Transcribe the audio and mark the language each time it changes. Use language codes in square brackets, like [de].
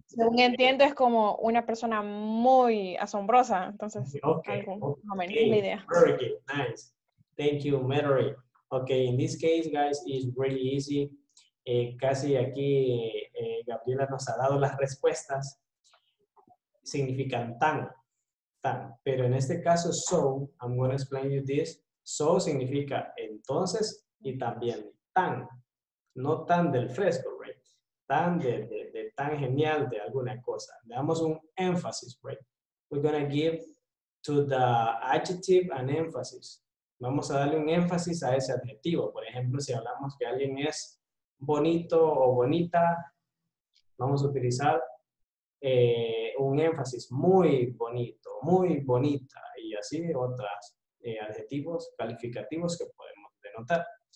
[es] Según entiendo es como una persona muy asombrosa, entonces [en] okay, okay, okay. Idea. Very good. Nice. Thank you, Mary. Okay, in this case, guys, it's really easy. [es] Casi aquí Gabriela nos ha dado las respuestas. Significan tan. Pero en este caso, [en] so, I'm going to explain you this. [es] So significa entonces y también tan. No tan del fresco, right? Tan de tan genial de alguna cosa. Le damos un énfasis, right? [en] We're going to give to the adjective an emphasis. [es] Vamos a darle un énfasis a ese adjetivo. Por ejemplo, si hablamos que alguien es bonito o bonita, vamos a utilizar un énfasis muy bonito, muy bonita, y así otros adjetivos calificativos que podemos denotar.